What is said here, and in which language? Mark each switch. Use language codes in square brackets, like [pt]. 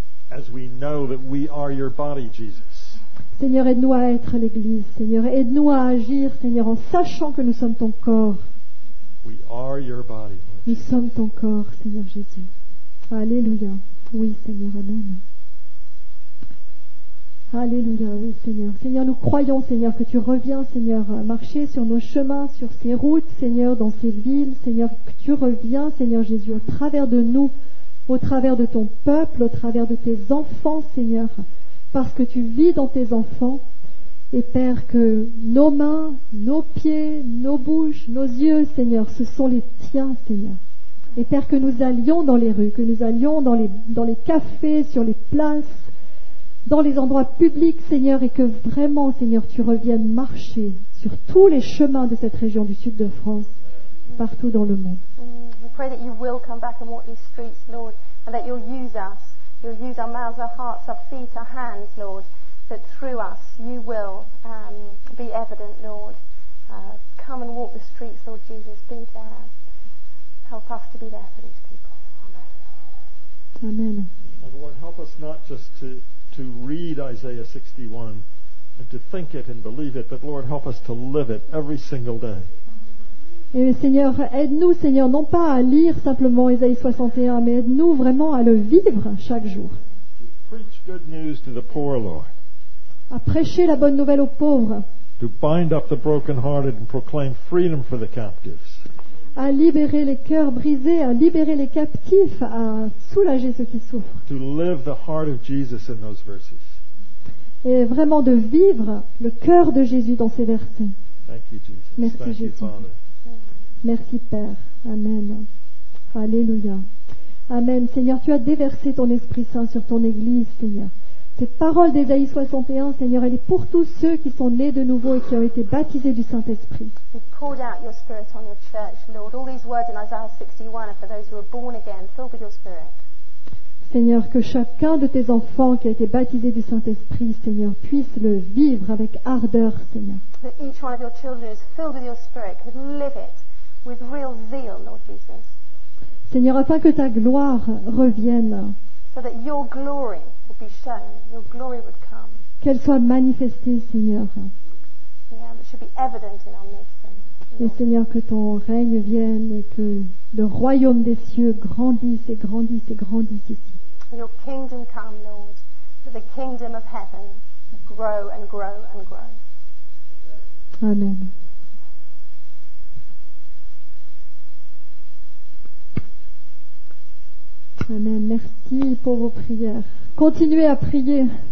[en] As we know that we are your body, Jesus. [fr] Seigneur, aide-nous à être l'Église. Seigneur, aide-nous à agir, Seigneur, en sachant que nous sommes ton corps. [en] We are your body, Lord Jesus. [fr] Nous sommes ton corps, Seigneur Jésus. Alléluia. Oui, Seigneur, amen. Alléluia, oui, Seigneur. Seigneur, nous croyons, Seigneur, que tu reviens, Seigneur, marcher sur nos chemins, sur ces routes, Seigneur, dans ces villes. Seigneur, que tu reviens, Seigneur Jésus, au travers de nous, au travers de ton peuple, au travers de tes enfants, Seigneur, parce que tu vis dans tes enfants. Et Père, que nos mains, nos pieds, nos bouches, nos yeux, Seigneur, ce sont les tiens, Seigneur. Et Père, que nous allions dans les rues, que nous allions dans les cafés, sur les places, dans les endroits publics, Seigneur, et que vraiment, Seigneur, tu reviennes marcher sur tous les chemins de cette région du sud de France, partout dans le monde. [en] We pray that you will come back and walk these streets, Lord, and that you'll use us. You'll use our mouths, our hearts, our feet, our hands, Lord, that through us you will be evident, Lord. Come and walk the streets, Lord Jesus. Be there. Help us to be there for these people. Amen. And Lord, help us not just to read Isaiah 61 and to think it and believe it, but Lord, help us to live it every single day. [fr] Et Seigneur, aide-nous, Seigneur, non pas à lire simplement Ésaïe 61, mais aide-nous vraiment à le vivre chaque jour. [en] To preach good news to the poor, Lord. [fr] À prêcher la bonne nouvelle aux pauvres. [en] To bind up the brokenhearted and proclaim freedom for the captives. [fr] À libérer les cœurs brisés, à libérer les captifs, à soulager ceux qui souffrent. [en] To live the heart of Jesus in those verses. [fr] Et vraiment de vivre le cœur de Jésus dans ces versets. [en] Thank you, Jesus. [fr] Merci, [en] thank [fr] Jésus. [en] You, Father. [fr] Merci Père. Amen. Alléluia. Amen. Seigneur, tu as déversé ton Esprit Saint sur ton Église, Seigneur. Cette parole d'Ésaïe 61, Seigneur, elle est pour tous ceux qui sont nés de nouveau et qui ont été baptisés du Saint-Esprit. [en] You've poured out your Spirit on your church, Lord. All these words in Isaiah 61 are for those who are born again, filled with your Spirit. [fr] Seigneur, que chacun de tes enfants qui a été baptisé du Saint-Esprit, Seigneur, puisse le vivre avec ardeur, Seigneur. [en] That each one of your children is filled with your Spirit, could live it. With real zeal, Lord Jesus. [fr] Seigneur, afin que ta gloire revienne. [en] So that your glory would be shown, your glory would come. [fr] Qu'elle soit manifestée, Seigneur. [en] Yeah, it should be evident in our midst. [fr] Et Seigneur, que ton règne vienne et que le royaume des cieux grandisse et grandisse et grandisse ici. [en] Your kingdom come, Lord, that the kingdom of heaven grow and grow and grow. Amen. [fr] Amen. Merci pour vos prières. Continuez à prier.